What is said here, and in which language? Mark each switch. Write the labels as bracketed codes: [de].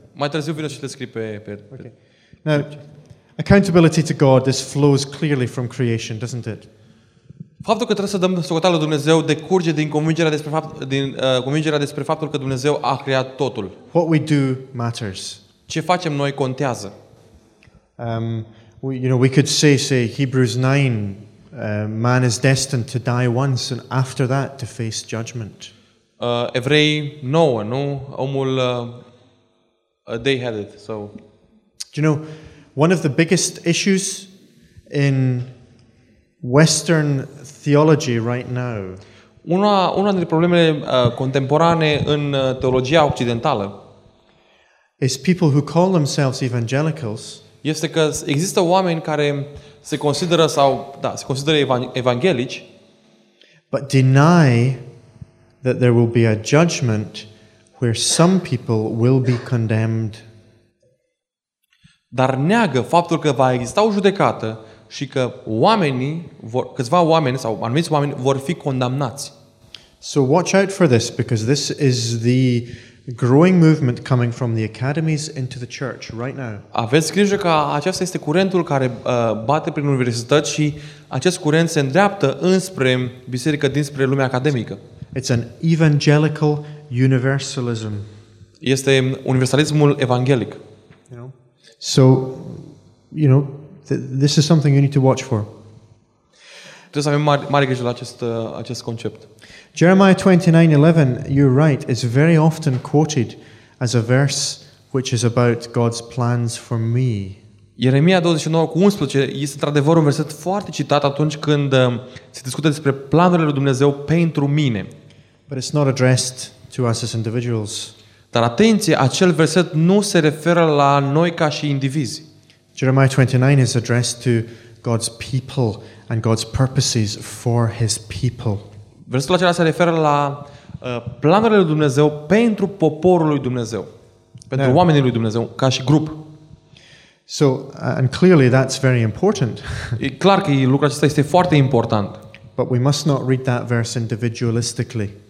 [ro] Mai târziu vine și le scrii pe... [en] Okay. Now, accountability to God, this flows clearly from creation, doesn't it? [ro] Faptul că trebuie să dăm socoteală lui Dumnezeu decurge din convingerea despre faptul că Dumnezeu a creat totul. [en] What we do matters. [ro] Ce facem noi contează. [en] We could say Hebrews 9, man is destined to die once and after that to face judgment. [ro] Evrei 9, nu? Omul [en] they had it. So one of the biggest issues in Western theology right now. [ro] Una dintre problemele contemporane în teologia occidentală. [en] Is people who call themselves evangelicals. [ro] Este că există oameni care se consideră evanghelici, [en] but deny that there will be a judgment where some people will be condemned. [ro] Dar neagă faptul că va exista o judecată și că oamenii, câțiva oameni sau anumiți oameni vor fi condamnați. [en] So watch out for this, because this is the growing movement coming from the academies into the church right now. [ro] Aveți grijă că aceasta este curentul care bate prin universități și acest curent se îndreaptă înspre biserică, dinspre lumea academică. [en] It's an evangelical universalism. [ro] Este universalismul evanghelic. [en] So, this is something you need to watch for. [ro] Trebuie să avem mare grijă la acest concept. [en] Jeremiah 29:11, you're right, is very often quoted as a verse which is about God's plans for me. [ro] Ieremia 29:11 este într-adevăr un verset foarte citat atunci când se discută despre planurile lui Dumnezeu pentru mine. [en] But it's not addressed to us as individuals. [ro] Dar atenție, acel verset nu se referă la noi ca și indivizi. [en] Jeremiah 29 is addressed to God's people and God's purposes for his people. [ro] Versetul acela se referă la planurile lui Dumnezeu pentru poporul lui Dumnezeu, pentru now, oamenii lui Dumnezeu ca și grup. [en] So, and clearly that's very important. [ro] E clar că lucrul acesta este foarte important. [en] But we must not read that verse individualistically.